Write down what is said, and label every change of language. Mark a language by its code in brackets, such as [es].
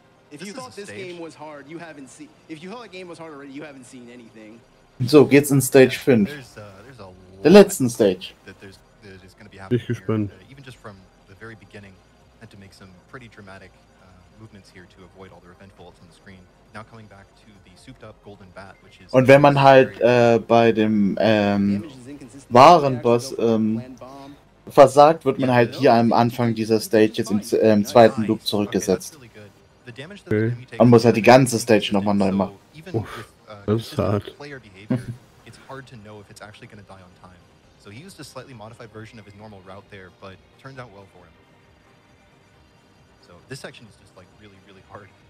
[en] If you thought this game was hard, you haven't seen... If you thought the game was hard already, you haven't seen anything. [de] So, geht's in Stage 5. [en] There's a lot... [de] The letzten stage. [en] That's gonna be happening. [de] Bin gespannt. [en] Even just from the very beginning. Had to make some pretty dramatic movements here to avoid all the revenge bullets on the screen. Now coming back to the souped up golden bat, which is... [de] Und wenn man halt bei dem wahren Boss versagt, wird man halt hier am Anfang dieser Stage jetzt im zweiten Loop zurückgesetzt. Okay. Man muss halt die ganze Stage nochmal neu machen. Uff, das ist hart. [en] It's hard to know if it's actually gonna die on time. So he used a slightly modified version of his normal route there, but turned out well for him. This section is just like really, really hard.